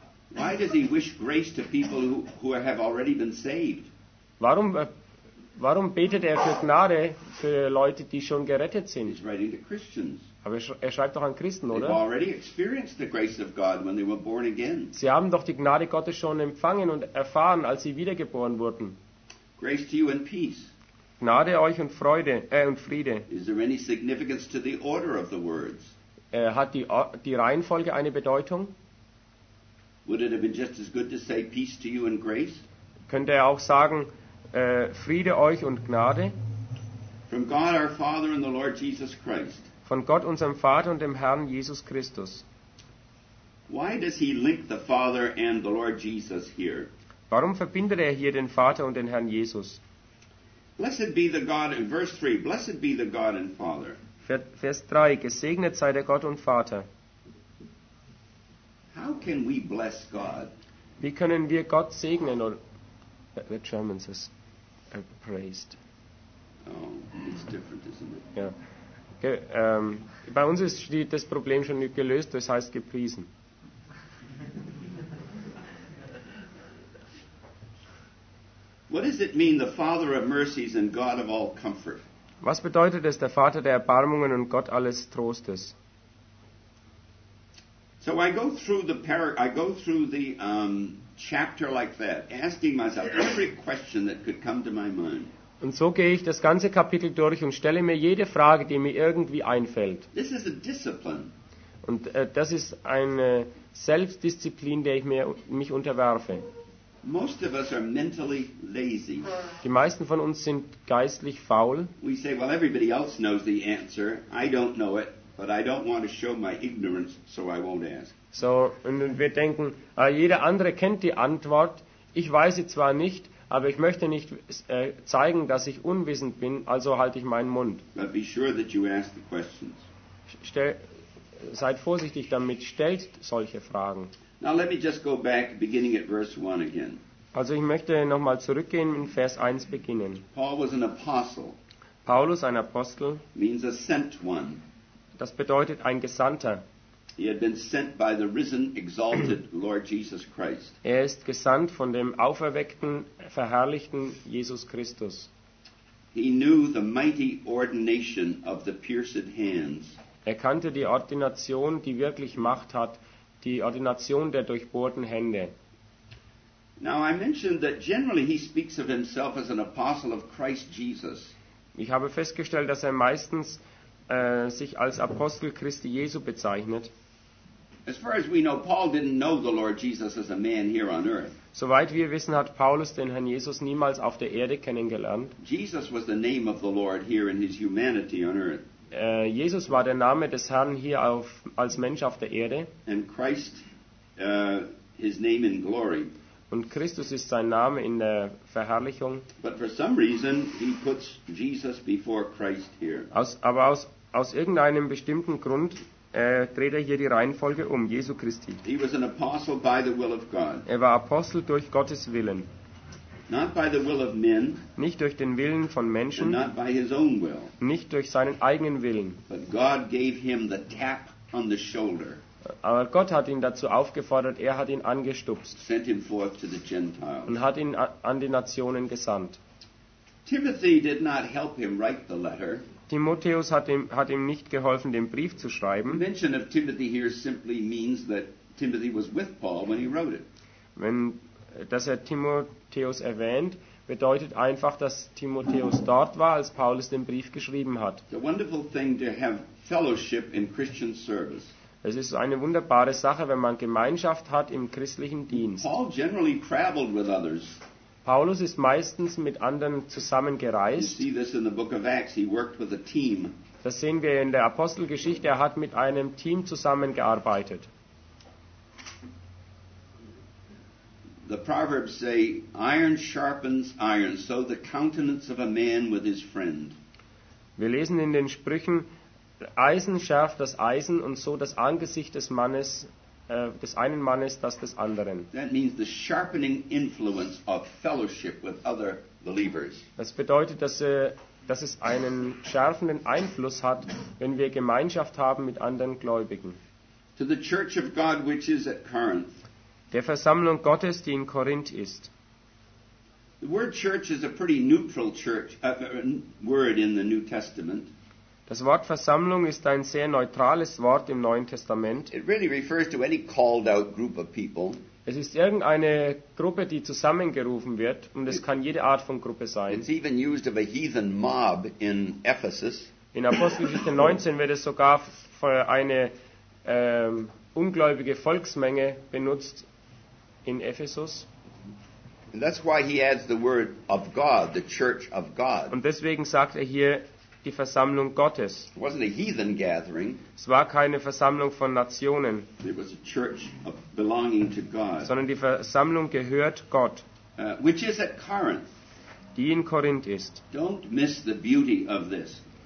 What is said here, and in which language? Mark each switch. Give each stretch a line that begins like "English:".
English: Why does he wish grace to people who have already been saved?
German: Warum betet er für Gnade für Leute, die schon gerettet sind?
English: He's writing to Christians.
German: Aber er schreibt doch an Christen, oder?
English: They've already experienced the grace of God when they were born again.
German: Sie haben doch die Gnade Gottes schon empfangen und erfahren, als sie wiedergeboren wurden.
English: Grace to you and peace.
German: Gnade euch und Freude, und Friede.
English: Is there any significance to the order of the words?
German: Hat die Reihenfolge eine Bedeutung?
English: Would it have been just as good to say peace to you and grace?
German: Könnte er auch sagen, Friede euch und Gnade?
English: From God our Father and the Lord Jesus Christ.
German: Von Gott unserem Vater und dem Herrn Jesus Christus.
English: Why does he link the Father and the Lord Jesus here?
German: Warum verbindet er hier den Vater und den Herrn Jesus?
English: Blessed be the God in verse 3. Blessed be the God and Father.
German: Vers 3, gesegnet sei der Gott und Vater.
English: How can we bless God?
German: Wie können wir Gott segnen?
English: The German says praised. Oh, it's different, isn't it? Yeah.
German: Okay, bei uns ist das Problem schon gelöst, das heißt gepriesen.
English: What does it mean, the Father of mercies and God of all comfort?
German: Was bedeutet es, der Vater der Erbarmungen und Gott alles Trostes?
English: So I go through the chapter like that, asking myself every question that could come to my mind.
German: Und so gehe ich das ganze Kapitel durch und stelle mir jede Frage, die mir irgendwie einfällt.
English: This is a discipline.
German: Und das ist eine Selbstdisziplin, der ich mich unterwerfe.
English: Most of us are mentally lazy.
German: Die meisten von uns sind geistlich faul.
English: We say, well, everybody else knows the answer. I don't know it. But I don't want to show my ignorance, so I won't ask.
German: So, und wir denken, jeder andere kennt die Antwort. Ich weiß sie zwar nicht, aber ich möchte nicht zeigen, dass ich unwissend bin, also halte ich meinen Mund.
English: But be sure that you ask the questions.
German: Seid vorsichtig damit, stellt solche Fragen.
English: Now let me just go back, beginning at verse 1 again.
German: Also ich möchte nochmal zurückgehen und Vers 1 beginnen.
English: Paul was an apostle.
German: Paulus, ein Apostel.
English: Means a sent one.
German: Das bedeutet ein Gesandter.
English: He had been sent by the risen, exalted Lord Jesus Christ.
German: Er ist gesandt von dem auferweckten, verherrlichten Jesus Christus.
English: He knew the mighty ordination of the pierced hands.
German: Er kannte die Ordination, die wirklich Macht hat, die Ordination der durchbohrten Hände.
English: Now I mentioned that generally he speaks of himself as an apostle of Christ Jesus.
German: Ich habe festgestellt, dass er meistens sich als Apostel Christi Jesu bezeichnet.
English: As far as we know, Paul didn't know the Lord Jesus as a man here on earth.
German: Soweit wir wissen, hat Paulus den Herrn Jesus niemals auf der Erde kennengelernt.
English: Jesus was the name of the Lord here in his humanity on earth.
German: Jesus war der Name des Herrn hier als Mensch auf der Erde.
English: And Christ, his name in glory.
German: Und Christus ist sein Name in der Verherrlichung.
English: But for some reason he puts Jesus before Christ here.
German: Aus irgendeinem bestimmten Grund dreht er hier die Reihenfolge um, Jesu Christi.
English: He was an apostle by the will of God.
German: Er war Apostel durch Gottes Willen.
English: Not by the will of men.
German: Nicht durch den Willen von Menschen.
English: And not by his own will.
German: Nicht durch seinen eigenen Willen.
English: But God gave him the tap on the shoulder.
German: Aber Gott hat ihn dazu aufgefordert, er hat ihn angestupst.
English: Sent him forth to the Gentiles.
German: Und hat ihn an die Nationen gesandt.
English: Timothy did not help him write the letter.
German: Timotheus hat ihm nicht geholfen, den Brief zu schreiben.
English: The mention of Timothy here simply means that Timothy was with Paul when he wrote it.
German: Wenn dass er Timotheus erwähnt, bedeutet einfach, dass Timotheus dort war, als Paulus den Brief geschrieben hat.
English: It's a wonderful thing to have fellowship in Christian service.
German: Es ist eine wunderbare Sache, wenn man Gemeinschaft hat im christlichen Dienst.
English: Paul generally traveled with others.
German: Paulus ist meistens mit anderen zusammengereist. Das sehen wir in der Apostelgeschichte, er hat mit einem Team zusammengearbeitet.
English: The Proverbs say, iron sharpens iron, so the countenance of a man with his friend.
German: Wir lesen in den Sprüchen, Eisen schärft das Eisen und so das Angesicht des Mannes, des einen Mannes, das des anderen.
English: That means the sharpening influence of fellowship with other believers.
German: Das bedeutet, dass es einen schärfenden Einfluss hat, wenn wir Gemeinschaft haben mit anderen Gläubigen.
English: To the Church of God, which is at Corinth.
German: Der Versammlung Gottes, die in Korinth ist.
English: The word church is a pretty neutral church word in the New Testament.
German: Das Wort Versammlung ist ein sehr neutrales Wort im Neuen Testament.
English: It really refers to any called out group of people.
German: Es ist irgendeine Gruppe, die zusammengerufen wird, und es kann jede Art von Gruppe sein.
English: It's even used of a heathen mob in Ephesus.
German: In Apostelgeschichte 19 wird es sogar für eine ungläubige Volksmenge benutzt in Ephesus.
English: And that's why he adds the word of God, the church of God.
German: Und deswegen sagt er hier die Versammlung Gottes.
English: It wasn't a heathen gathering.
German: Es war keine Versammlung von Nationen.
English: It was a church belonging to God.
German: Sondern die Versammlung gehört Gott.
English: Which is at Corinth.
German: Die in Korinth ist.
English: Don't miss the beauty of this.